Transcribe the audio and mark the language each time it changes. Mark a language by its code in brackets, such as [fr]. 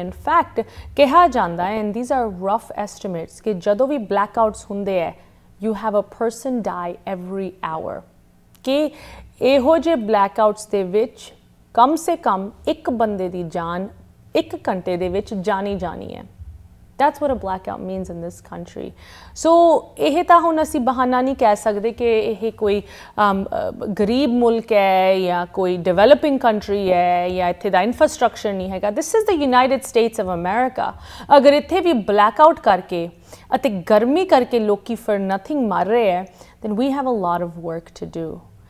[pa] In fact ਕਿਹਾ ਜਾਂਦਾ ਹੈ, [en] and these are rough estimates, [pa] ਕਿ ਜਦੋਂ ਵੀ ਬਲੈਕਆਊਟਸ ਹੁੰਦੇ ਹੈ [en] you have a person die every hour, [pa] ਕਿ ਇਹੋ ਜਿਹੇ ਬਲੈਕਆਊਟਸ ਦੇ ਵਿੱਚ ਕਮ ਸੇ ਕਮ ਇੱਕ ਬੰਦੇ ਦੀ ਜਾਨ ਇੱਕ ਘੰਟੇ ਦੇ ਵਿੱਚ ਜਾਣੀ ਜਾਣੀ ਹੈ। [en] That's what a blackout means in this country. So, [pa] ਇਹ ਤਾਂ ਹੁਣ ਅਸੀਂ ਬਹਾਨਾ ਨਹੀਂ ਕਹਿ ਸਕਦੇ ਕਿ ਇਹ ਕੋਈ ਗਰੀਬ ਮੁਲਕ ਹੈ ਜਾਂ ਕੋਈ ਡਿਵੈਲਪਿੰਗ ਕੰਟਰੀ ਹੈ ਜਾਂ ਇੱਥੇ ਦਾ ਇਨਫਰਾਸਟ੍ਰਕਚਰ ਨਹੀਂ ਹੈਗਾ। [en] This is the United States of America. [pa] ਅਗਰ ਇੱਥੇ ਵੀ ਬਲੈਕਆਊਟ ਕਰਕੇ ਅਤੇ ਗਰਮੀ ਕਰਕੇ ਲੋਕ ਫਿਰ ਨਥਿੰਗ ਮਰ ਰਹੇ ਹੈ, [en] Then we have a lot of work to do.